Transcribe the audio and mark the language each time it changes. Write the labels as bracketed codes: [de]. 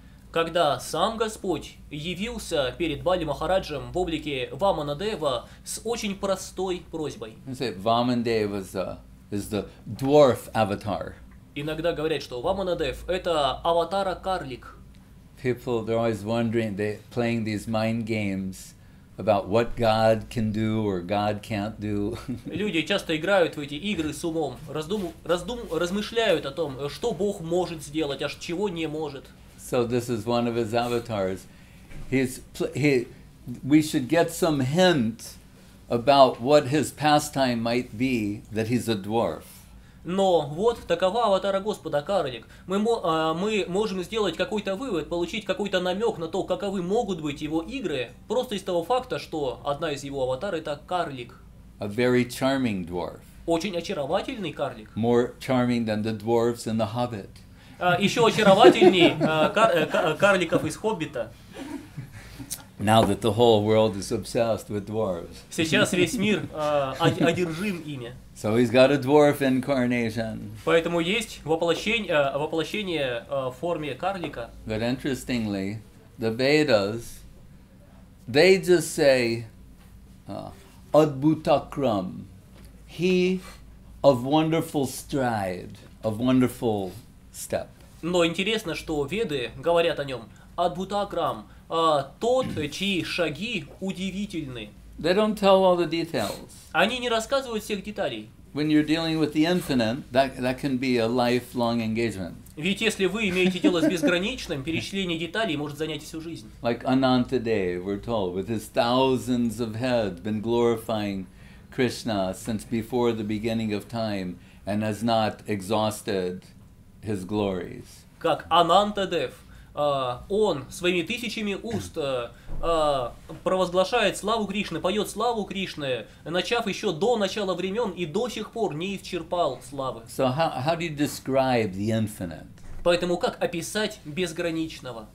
[ru] Когда сам Господь явился перед Бали Махараджем в облике Ваманадева с очень простой просьбой. [en] Ваманадева is the dwarf avatar. [ru] Иногда говорят, что Ваманадев — это аватара карлик. [en] People, they're always wondering, they're playing these mind games about what God can do or God can't do. [ru] Люди часто играют в эти игры с умом, размышляют о том, что Бог может сделать, а чего не может. [en] So this is one of his avatars. We should get some hint about what his pastime might be, that he's a dwarf. [ru] Но вот такова аватара Господа, карлик. Мы можем сделать какой-то вывод, получить какой-то намек на то, каковы могут быть его игры, просто из того факта, что одна из его аватар — это карлик. [en] A very charming dwarf. [ru] Очень очаровательный карлик. [en] More charming than the dwarves in the Hobbit. [ru] Еще очаровательнее карликов из Хоббита. [en] Now that the whole world is obsessed with dwarves. [ru] Сейчас весь мир одержим ими. [en] So he's got a dwarf incarnation. [ru] Поэтому есть воплощение в форме карлика. [en] But interestingly, the Vedas, they just say adbhutakram, he of wonderful stride, of wonderful step. [ru] Но интересно, что Веды говорят о нем адбутакрам, тот, чьи шаги удивительны. [en] They don't tell all the details. [ru] Они не рассказывают всех деталей. [en] When you're dealing with the infinite, that can be a lifelong engagement. [ru] Ведь если вы имеете дело с безграничным, перечисление деталей может занять всю жизнь. [en] Like Anantadeva, we're told, with his thousands of heads, been glorifying Krishna since before the beginning of time, and has not exhausted his glories. [ru] Как Анантадев, он своими тысячами уст провозглашает славу Кришны, поет славу Кришны, начав еще до начала времен и до сих пор не исчерпал славы. [en] So how do you describe the infinite? [ru] Поэтому как описать безграничного?